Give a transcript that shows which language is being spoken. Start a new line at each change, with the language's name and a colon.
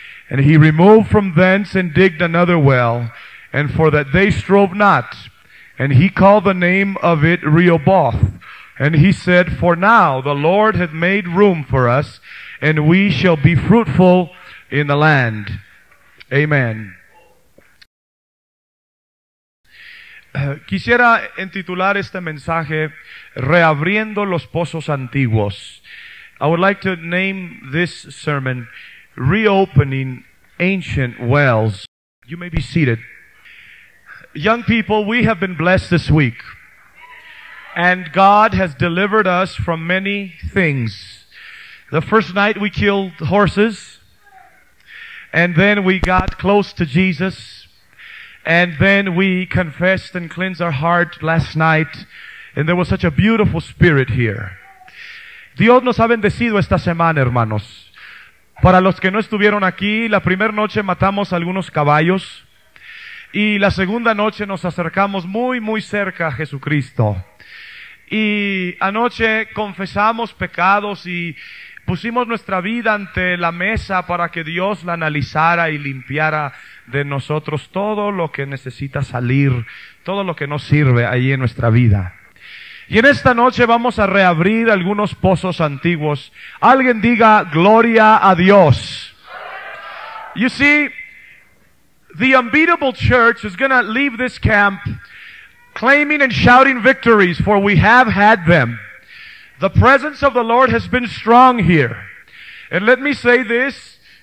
English: And he removed from thence and digged another well, and for that they strove not, and he called the name of it Rehoboth. And he said, For now the Lord hath made room for us, and we shall be fruitful in the land. Amen.
Spanish: Quisiera intitular este mensaje Reabriendo los pozos antiguos.
English: I would like to name this sermon Reopening Ancient Wells. You may be seated. Young people, we have been blessed this week. And God has delivered us from many things. The first night we killed horses, and then we got close to Jesus, and then we confessed and cleansed our heart last night, and there was such a beautiful spirit here.
Spanish: Dios nos ha bendecido esta semana, hermanos. Para los que no estuvieron aquí, la primera noche matamos algunos caballos, y la segunda noche nos acercamos muy, muy cerca a Jesucristo. Y anoche confesamos pecados y pusimos nuestra vida ante la mesa para que Dios la analizara y limpiara de nosotros todo lo que necesita salir, todo lo que no sirve ahí en nuestra vida. Y en esta noche vamos a reabrir algunos pozos antiguos. Alguien diga, gloria a Dios.
English: You see, the unbeatable church is going to leave this camp claiming and shouting victories, for we have had them. The presence of the Lord has been strong here. And let me say this,